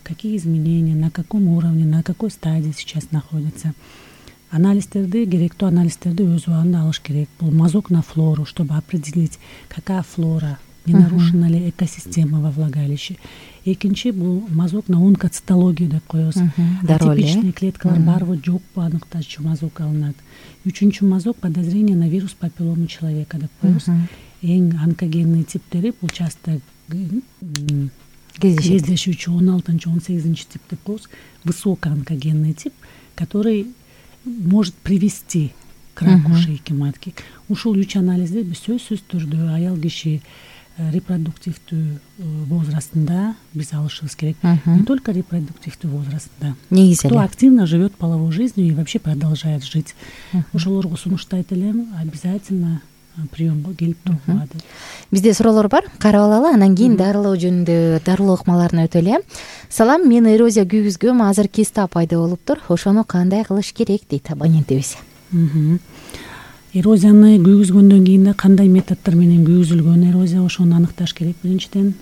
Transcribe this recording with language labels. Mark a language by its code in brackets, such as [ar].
[ru] Какие изменения, на каком уровне, на какой стадии сейчас находится. [ky] Анализдерди, керектүү анализдерди өз убагында алыш керек. [ru] Бул мазок на флору, чтобы определить, какая флора, не нарушена ли экосистема во влагалище. [ky] Экинчи бул [ru] мазок на онкоцитологию [ky] деп коебуз. Типичный клеткалар барбы, жокпу аныкташчу мазок алынат. [ru] Үчүнчү мазок подозрение на вирус папилломы человека [ky] деп коебуз. Эң онкогенный типтери бул часто кездешүүчү 16-18 тип деп коебуз. [ru] Высокоонкогенный тип, который может привести к раку шейки матки. [ky] Ушул үч анализди биз сөзсүз түрдө аял киши репродуктивдүү возрастында биз алышыбыз керек. [ru] Не только репродуктивдүү возрастында. [ky] Негизи [ru] эле. Кто активно живет половой жизнью и вообще продолжает жить. [ky] Ошолорго сунуштайт элем, обязательно приемго келип турууга. Бизде суроолор бар, карап алалы, анан кийин дарылоо жөнүндө дарылоо ыкмаларына өтө эле. Салам, мен эрозия күйгүзгөм, азыр киста пайда болуптур. Ошону кандай кылыш керек дейт абонентибиз. Эрозияны күйгүзгөндөн кийин да кандай методдор менен күйгүзүлгөн эрозия, ошону аныкташ керек биринчиден.